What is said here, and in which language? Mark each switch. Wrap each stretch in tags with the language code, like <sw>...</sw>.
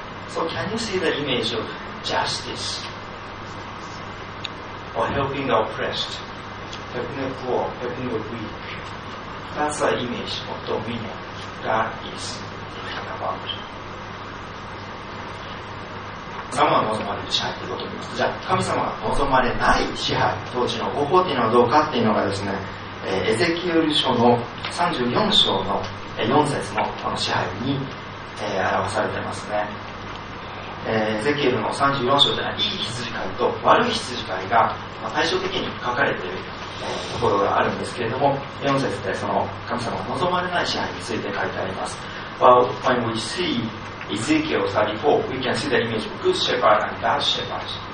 <en>So can you see the image of justice? Or helping the oppressed, helping the poor, helping the weak. That's the image of dominion God is talking about.</en> <ja>神様が望まれる支配ということを言います。じゃあ神様が望まれない支配統治の方法というのはどうかというのがですね、エゼキエル書の34章の4節のこの支配に、表されていますね。エゼキエルの34章というのはいい羊飼いと悪い羊飼いが、対照的に書かれている、ところがあるんですけれども、4節でその神様が望まれない支配について書いてあります。</ja> <en>Well, when we seeEzekiel 34, we can see the image of good shepherd and bad shepherd.</en>